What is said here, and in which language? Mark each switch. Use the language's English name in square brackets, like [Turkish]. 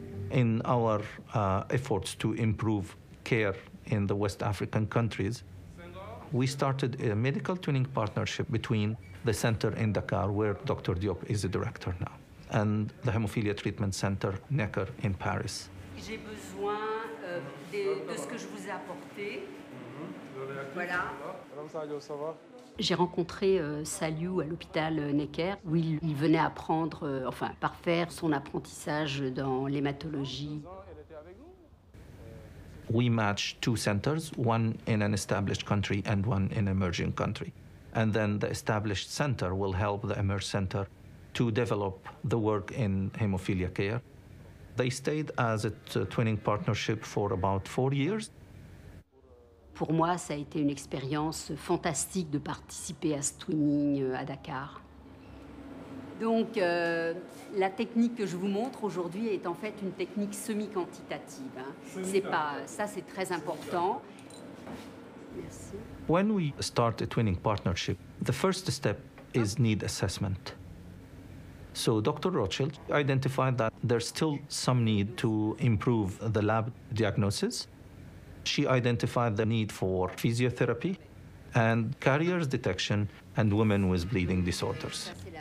[English] In our efforts to improve care in the West African countries, we started a medical twinning partnership between the center in Dakar, where Dr. Diop is the director now, and the Hemophilia Treatment Center, Necker, in Paris. [French] J'ai besoin de ce que je vous ai apporté. Voilà. J'ai rencontré Saliou à l'hôpital Necker, où il venait apprendre, enfin, parfaire son apprentissage dans l'hématologie. [English] We match two centers, one in an established country and one in an emerging country. And then the established center will help the emerged center to develop the work in hemophilia care. They stayed as a twinning partnership for about 4 years. [French] Pour moi, ça a été une expérience fantastique de participer à ce twinning à Dakar. Donc, la technique que je vous montre aujourd'hui est en fait une technique semi-quantitative. Hein. C'est pas ça, c'est très important. Merci. [English] When we start a twinning partnership, the first step is need assessment. So, Dr. Rothschild identified that there's still some need to improve the lab diagnosis. She identified the need for physiotherapy and carriers detection and women with bleeding disorders.